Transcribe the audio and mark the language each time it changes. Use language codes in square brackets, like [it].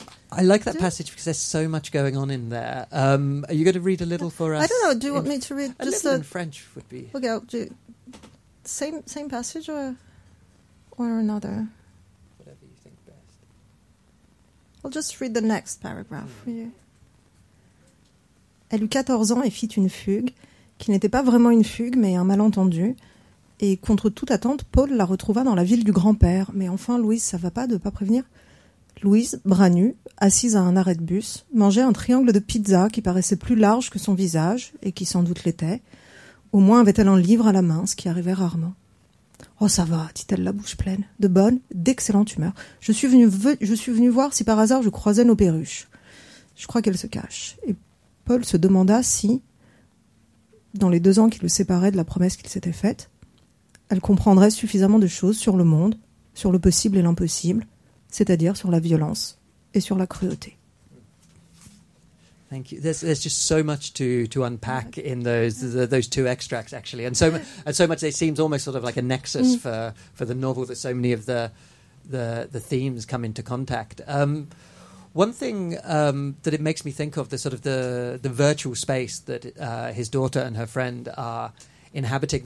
[en] I like that passage because there's so much going on in there. Are you going to read a little for us? I don't know. Do you want me to read? A little in French would be... Okay, I'll do... Same passage or another? Whatever you think best. I'll just read the next paragraph for you. [fr] Elle eut 14 ans et fit une fugue, qui n'était pas vraiment une fugue, mais un malentendu. Et contre toute attente, Paul la retrouva dans la ville du grand-père. Mais enfin, Louise, ça va pas de pas prévenir... Louise, bras nus, assise à un arrêt de bus, mangeait un triangle de pizza qui paraissait plus large que son visage, et qui sans doute l'était. Au moins avait-elle un livre à la main, ce qui arrivait rarement. « Oh, ça va, » dit-elle la bouche pleine, de bonne, d'excellente humeur. « Je suis venue voir si par hasard je croisais nos perruches. » Je crois qu'elle se cache. Et Paul se demanda si, dans les 2 ans qui le séparaient de la promesse qu'il s'était faite, elle comprendrait suffisamment de choses sur le monde, sur le possible et l'impossible, c'est-à-dire sur la violence et sur la cruauté. [en] Thank you. There's just so much to unpack in those two extracts, actually, and so much. It seems almost sort of like a nexus for the novel that so many of the themes come into contact. One thing that it makes me think of, the virtual space that his daughter and her friend are inhabiting.